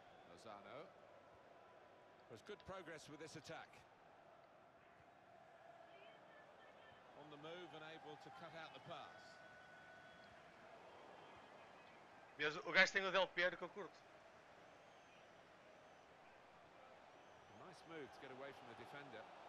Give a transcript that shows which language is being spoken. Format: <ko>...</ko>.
<en>Lozano. There's good progress with this attack. On the move and able to cut out the pass.</en> <pt>Mas o gajo tem o Del Piero que eu curto.</pt> <en>Nice move to get away from the defender.</en>